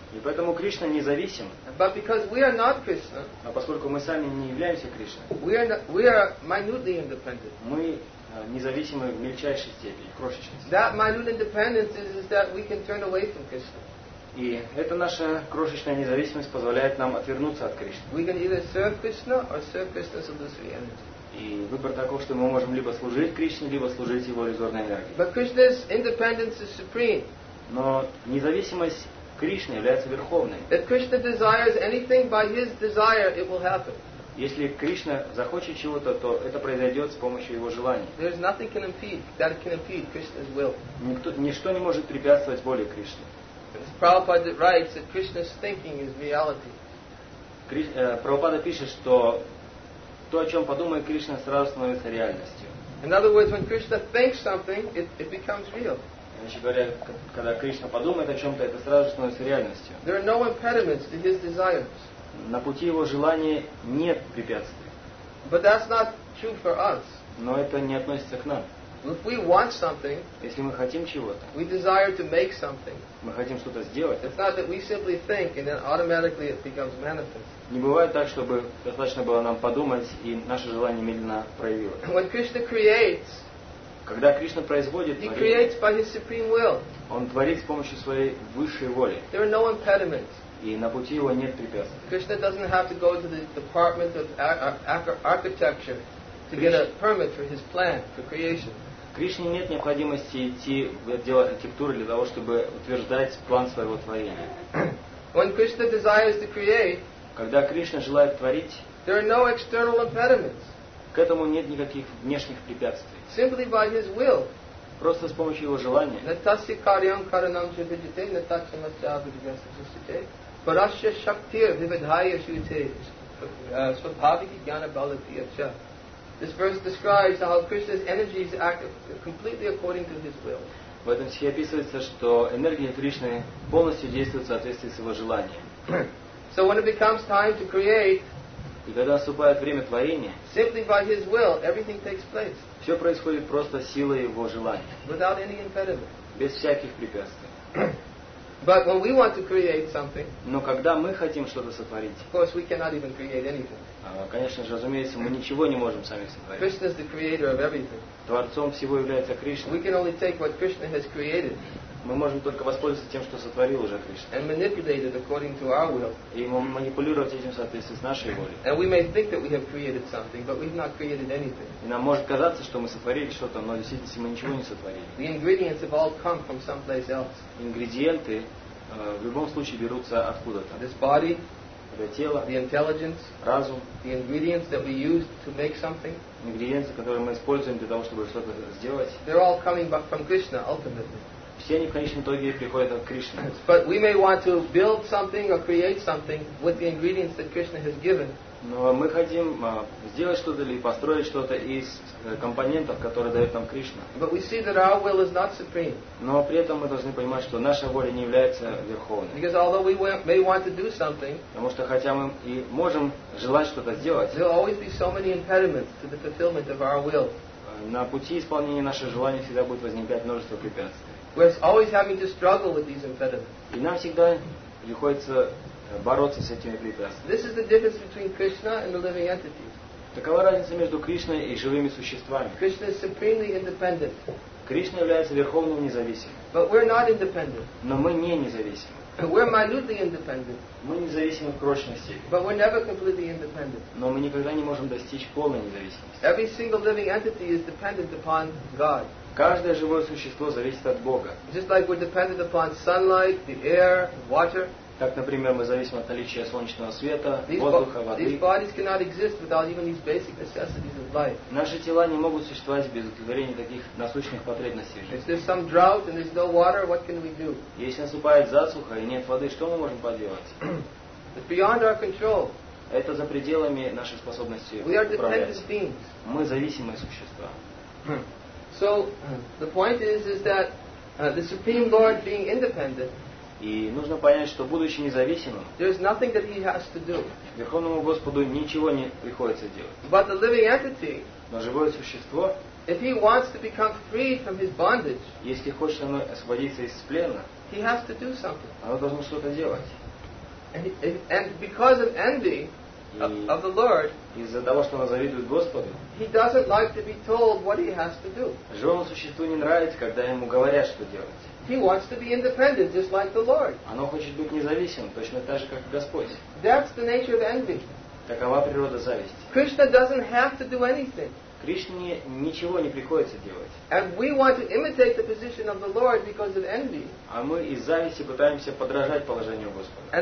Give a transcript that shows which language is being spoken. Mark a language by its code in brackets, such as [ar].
[ru] И поэтому Кришна независим. [en] But because we are not Krishna, [ru] а поскольку мы сами не являемся Кришной, [en] we are minutely independent. [ru] Мы независимы в мельчайшей степени, крошечности. [en] That minute independence is that we can turn away from Krishna. [ru] И эта наша крошечная независимость позволяет нам отвернуться от Кришны. [en] We can either serve Krishna or serve Krishna's illusory energy. [ru] И выбор таков, что мы можем либо служить Кришне, либо служить его иллюзорной энергии. [en] But Krishna's independence is supreme. [ru] Но независимость Кришны является верховной. [en] If Krishna desires anything by his desire, it will happen. [ru] Если Кришна захочет чего-то, то это произойдет с помощью его желаний. [en] There is nothing can impede that can impede Krishna's will. [ru] Ничто не может препятствовать воле Кришны. [en] Prabhupada writes that Krishna's thinking is reality. [ru] Prabhupada пишет, что то, о чем подумает Кришна, сразу становится реальностью. [en] In other words, when Krishna thinks something, it becomes real. [ru] Иначе говоря, когда Кришна подумает о чем-то, это сразу становится реальностью. [en] There are no impediments to his desires. [ru] На пути его желания нет препятствий. [en] But that's not true for us. [ru] Но это не относится к нам. [en] If we want something, [ru] если мы хотим чего-то, [en] we desire to make something. [ru] Мы хотим что-то сделать. [en] It's not that we simply think and then automatically it becomes manifest. [ru] Не бывает так, чтобы достаточно было нам подумать и наше желание медленно проявилось. [en] When Krishna creates, [ru] когда Кришна производит, [en] he creates by his supreme will. [ru] Он творит с помощью своей высшей воли. [en] There are no impediments. [ru] И на пути его нет препятствий. [en] Krishna doesn't have to go to the department of architecture. To get a permit for his plan for creation. [ru] Кришне нет необходимости идти в отдел архитектуры для того, чтобы утверждать план своего творения. [en] When Krishna desires to create, [ru] когда Кришна желает творить, [en] there are no external impediments. [ru] К этому нет никаких внешних препятствий. [en] Simply by his will. [ru] Просто с помощью его желания. [sa] Natasya karyam karanam chavidite natasya natya abhidhyasasite parasya shaktir vividhaya shute svabhaviki jnana balatiya cha. [en] This verse describes how Krishna's energies act completely according to his will. [ru] В этом стихе описывается, что энергия Кришны полностью действует в соответствии с его желанием. [en] So when it becomes time to create, [ru] и когда наступает время творения, [en] simply by his will, everything takes place. [ru] Все происходит просто силой его желания. [en] Without any impediment. [ru] Без всяких препятствий. [en] But when we want to create something, [ru] но когда мы хотим что-то сотворить, [en] of course we cannot even create anything. [ru] Конечно же, разумеется, мы ничего не можем сами сотворить. [en] Krishna is the creator of everything. [ru] Творцом всего является Кришна. [en] We can only take what Krishna has created. [ru] Мы можем только воспользоваться тем, что сотворил уже Кришна. [en] And manipulate it according to our will. [ru] И манипулировать этим в соответствии с нашей волей. [en] And we may think that we have created something, but we've not created anything. [ru] И нам может казаться, что мы сотворили что-то, но в действительности мы ничего не сотворили. [en] The ingredients have all come from someplace else. [ru] Ингредиенты в любом случае берутся откуда-то. [en] This body, [ru] это тело, [en] the intelligence, [ru] разум, [en] the ingredients that we use to make something, [ru] ингредиенты, которые мы используем для того, чтобы что-то сделать, [en] they're all coming back from Krishna ultimately. [ru] Все они в конечном итоге приходят к Кришне. [en] But we may want to build something or create something with the ingredients that Krishna has given. [ru] Но мы хотим сделать что-то или построить что-то из компонентов, которые дает нам Кришна. [en] But we see that our will is not supreme. [ru] Но при этом мы должны понимать, что наша воля не является верховной. [en] Because although we may want to do something, [ru] потому что хотя мы и можем желать что-то сделать, [en] there will always be so many impediments to the fulfillment of our will. [ru] На пути исполнения наших желаний всегда будет возникать множество препятствий. [en] We're always having to struggle with these impediments. [ru] И нам всегда приходится бороться с этими препятствиями. [en] This is the difference between Krishna and the living entities. [ru] Такова разница между Кришной и живыми существами. [en] Krishna is supremely independent. [ru] Кришна является верховным независимым. [en] But we're not independent. [ru] Но мы не независимы. [en] We're minutely independent. [ru] Мы независимы в крошечной степени. [en] But we're never completely independent. [ru] Но мы никогда не можем достичь полной независимости. [en] Every single living entity is dependent upon God. [ru] Каждое живое существо зависит от Бога. [en] Just like we're dependent upon sunlight, the air, water. [ru] Как, например, мы зависим от наличия солнечного света, воздуха, воды. [en] These bodies cannot exist without even these basic necessities of life. [ru] Наши тела не могут существовать без удовлетворения таких насущных потребностей. [en] If there's some drought and there's no water, what can we do? [ru] Если наступает засуха и нет воды, что мы можем поделать? [en] It's beyond our control. [ru] Это за пределами нашей способности управлять. [en] We are dependent beings. [ru] Мы зависимые существа. [en] So the point is that the Supreme Lord being independent. [ru] И нужно понять, что будучи независимым, [en] there is nothing that he has to do. [ru] Верховному Господу ничего не приходится делать. [en] But the living entity, [ru] но живое существо, [en] if he wants to become free from his bondage, [ru] если хочет оно освободиться из плена, [en] he has to do something. [ru] Оно должно что-то делать. [en] And because of envy of the Lord, [ru] из-за того, что оно завидует Господу, [en] he doesn't like to be told what he has to do. [ru] Живому существу не нравится, когда ему говорят, что делать. [en] He wants to be independent, just like the Lord. [ru] Оно хочет быть независимым, точно так же, как Господь. [en] That's the nature of envy. [ru] Такова природа зависти. [en] Krishna doesn't have to do anything. [ru] Кришне ничего не приходится делать. [en] And we want to imitate the position of the Lord because of envy. [ru] А мы из зависти пытаемся подражать положению Господа.